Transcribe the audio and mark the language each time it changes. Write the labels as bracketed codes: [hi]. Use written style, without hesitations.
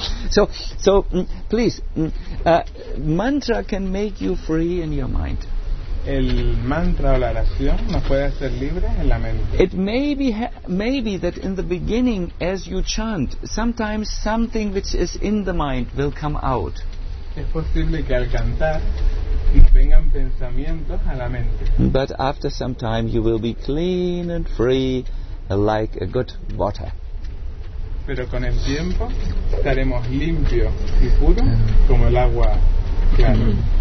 [en] So please, mantra can make you free in your mind. [es] El mantra o la oración nos puede hacer libre en la mente. [en] It may be that in the beginning, as you chant, sometimes something which is in the mind will come out. [es] Es posible que al cantar nos vengan pensamientos a la mente. [en] But after some time you will be clean and free like a good water. [es] Pero con el tiempo estaremos limpios y puros como el agua clara.